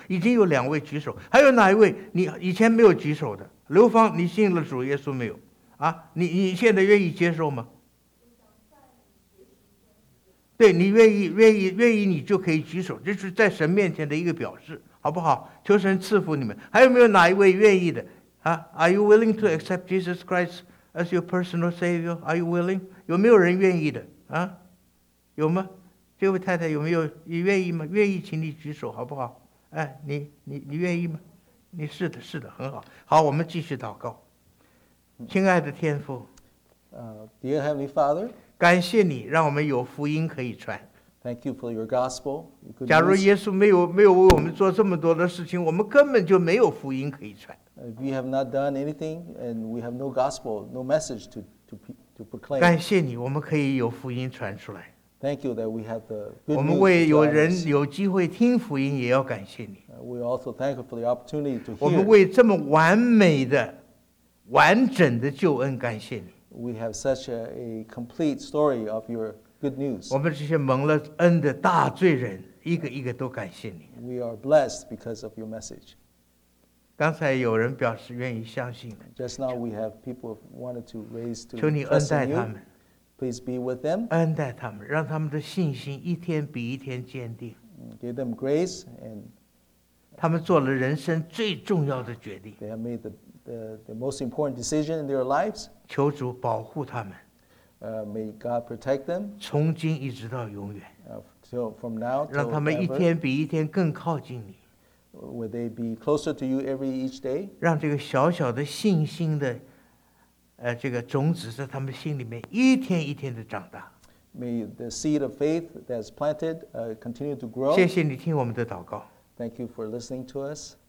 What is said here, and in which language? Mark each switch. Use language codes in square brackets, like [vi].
[zh] 已经有两位举手，还有哪一位？你以前没有举手的，刘芳，你信了主耶稣没有？啊，你现在愿意接受吗？对，你愿意，你就可以举手，这是在神面前的一个表示，好不好？求神赐福你们。还有没有哪一位愿意的？ [en] 啊 ，Are you willing to accept Jesus Christ as your personal Savior? Are you willing? [zh] 有没有人愿意的？啊？有吗？这位太太有没有？你愿意吗？愿意，请你举手，好不好？哎，你愿意吗？你是的，是的，很好。好，我们继续祷告。亲爱的天父， [en] Dear Heavenly Father, [zh] 感谢你让我们有福音可以传。 [en] Thank you for your gospel. [zh] 假如耶稣没有为我们做这么多的事情，我们根本就没有福音可以传。 [en] If we have not done anything, and we have no gospel, no message to proclaim. [zh] 感谢你，我们可以有福音传出来。 [en] Thank you that we have the good news. [zh] 我们为有人有机会听福音，也要感谢你。 [en] We also thank you for the opportunity to hear. [zh] 我们为这么完美的、完整的救恩感谢你。 [en] We have such a complete story of your good news. [zh] 我们这些蒙了恩的大罪人，一个一个都感谢你。 [en] We are blessed because of your message. [zh] 刚才有人表示愿意相信的。 [en] Just now we have people wanted to raise to. [zh] 求你恩待他们。 [en] Please be with them. [zh] 恩待他们，让他们的信心一天比一天坚定。 [en] Give them grace and. [zh] 他们做了人生最重要的决定。 [en] They have made the most important decision in their lives. [zh] 求主保护他们。 [en] May God protect them. [zh] 从今一直到永远。 [en] So from now till ever. [zh] 让他们一天比一天更靠近你。 [en] Will they be closer to you every each day? [zh] 让这个小小的信心的。这个种子在他们心里面一天一天的长大。 [en] May the seed of faith that's planted continue to grow. [zh] 谢谢你听我们的祷告。 [en] Thank you for listening to us.